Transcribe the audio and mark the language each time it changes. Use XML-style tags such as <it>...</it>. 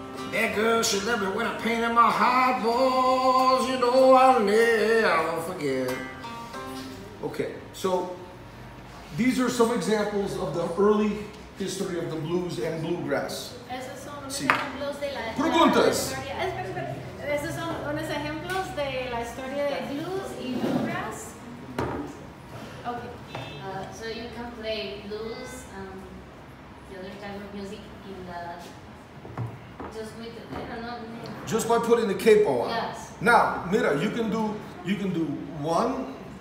<en>That girl, she let me win a pain in my heart, boys. You know I'll never forget. Okay, so these are some examples of the early history of the blues and bluegrass.</en> <es>Esos son ejemplos de la preguntas. Esos son unos ejemplos de la historia de blues y bluegrass.</es> <en>Okay. So you can play blues, the other type of music in the just with the, I don't know. Just by putting the capo on. Yes. Now, mira, you can do one.</en>